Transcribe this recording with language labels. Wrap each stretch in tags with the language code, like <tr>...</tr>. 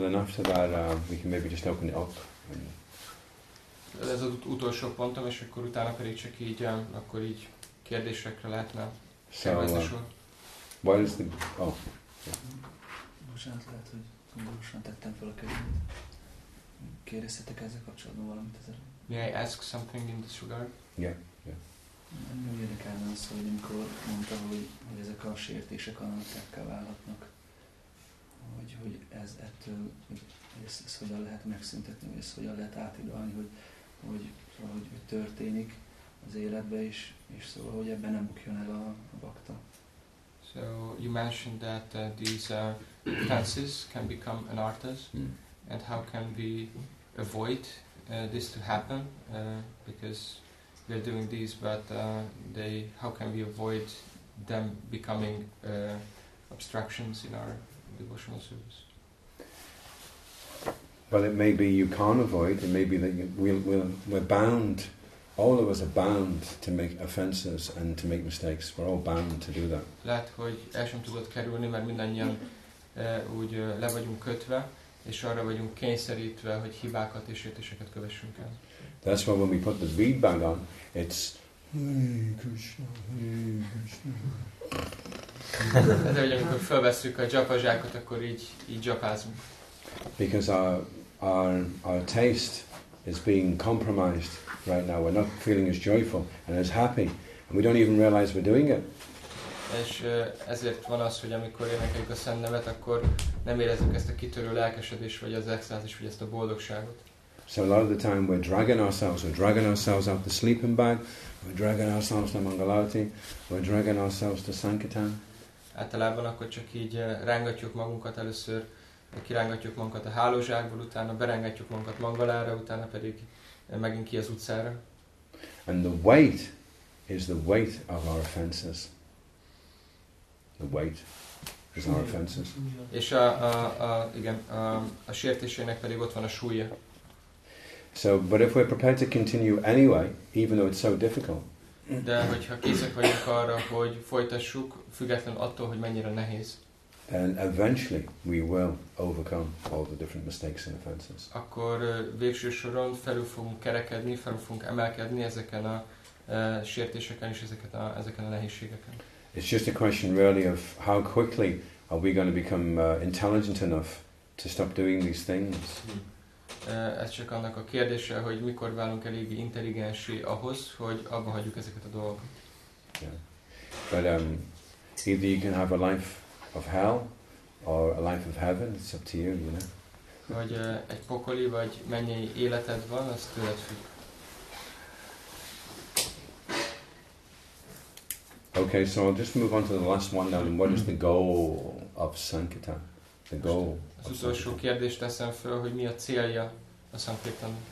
<en>Then after that, we can maybe just open it up.</en> <hu>Ez az utolsó pontom, és akkor utána pedig csak így, akkor így kérdésekre lehetne kérdezni sor.</hu> <en>Why is the... Oh. Yeah.</en> <hu>Bocsánat, lehet, hogy gondolosan tettem fel a kezemet. Kérdeztetek ezzel kapcsolatban valamit ezzel?</hu> <en>May I ask something in this regard? Yeah.</en> <hu>Nem érdekelne az, hogy amikor mondta, hogy ezek a sértések anantákká válhatnak, hogy ez ettől, ez hogyan lehet megszüntetni, vagy ez hogyan lehet átidalni, hogy történik az életbe is, és szóval, hogy ebben nem bukjon el a bakta.</hu> <en>So you mentioned that these fences can become an artas, and how can we avoid this to happen? Because we're doing these, but how can we avoid them becoming obstructions in our devotional service? Well, it may be you can't avoid. It may be that we're bound. All of us are bound to make offenses and to make mistakes. We're all bound to do that.</en> <hu>Lehet, hogy el sem tudod kerülni, mert mindannyian úgy le vagyunk kötve, és arra vagyunk kényszerítve, hogy hibákat és sértéseket kövessünk el.</hu> <en>That's why when we put the bead bag on, it's Hey Krishna, Hey Krishna.</en> <hu>Ez, hogy amikor felvesszük a japa zsákot, akkor így japázunk.</hu> <en>Because our taste is being compromised right now. We're not feeling as joyful and as happy, and we don't even realize we're doing it.</en> <hu>És ezért van az, hogy amikor énekeljük a szent nevet, akkor nem érezzük ezt a kitörő lelkesedést, vagy az extázist, vagy ezt a boldogságot.</hu> <en>So a lot of the time we're dragging ourselves out the sleeping bag, we're dragging ourselves to Mangalati, we're dragging ourselves to Sankirtan.</en> <hu>Általában akkor csak így rángatjuk magunkat először, kirángatjuk magunkat a hálózsákból, utána berengetjük magunkat Mangalára, utána pedig megint ki az utcára.</hu> <en>And the weight is the weight of our offenses. The weight is our offenses.</en> <hu>És a sértésének pedig ott van a súlya.</hu> <en>So, but if we're prepared to continue anyway, even though it's so difficult.</en> <hu>De hogyha készek vagyunk arra, hogy folytassuk, függetlenül attól, hogy mennyire nehéz.</hu> <en>Then eventually we will overcome all the different mistakes and offenses.</en> <hu>Akkor végső soron felül fogunk kerekedni, felül fogunk emelkedni ezeken a sértéseken és ezeken a nehézségeken.</hu> <en>It's just a question really of how quickly are we going to become intelligent enough to stop doing these things.</en> <hu>Ez csak annak a kérdése, hogy mikor válunk elég intelligensé ahhoz, hogy abba hagyjuk ezeket a dolgokat.</hu> <en>Yeah. But either you can have a life of hell or a life of heaven, it's up to you, you know.</en> <hu>Vagy egy pokoli vagy mennyi életed van, az tőled függ.</hu> <en>Okay, so I'll just move on to the last one now. And what is the goal of Sankirtan? The goal.</en> <hu>Az utolsó kérdést teszem föl, hogy mi a célja a Sankirtan?</hu>